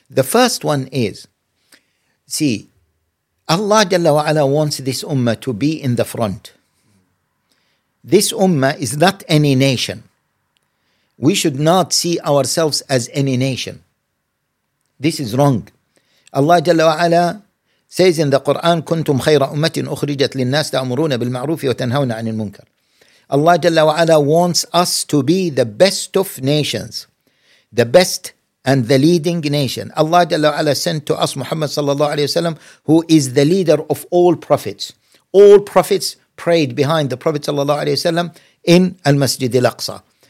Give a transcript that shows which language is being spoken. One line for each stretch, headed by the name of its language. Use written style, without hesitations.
English: The first one is, see, Allah Jalla wa'ala wants this ummah to be in the front. This ummah is not any nation. We should not see ourselves as any nation. This is wrong. Allah Jalla wa'ala says in the Quran,
Arabic: كنتم خير أمة أخرجت للناس تأمرون بالمعروف وتنهون عن المنكر.
English: Allah Jalla wa'ala wants us to be the best of nations, the best and the leading nation. Allah Jalla wa'ala sent to us Muhammad sallallahu alayhi wa sallam, who is the leader of all prophets. All prophets prayed behind the Prophet sallallahu alayhi wa sallam in al-Masjid al-Aqsa.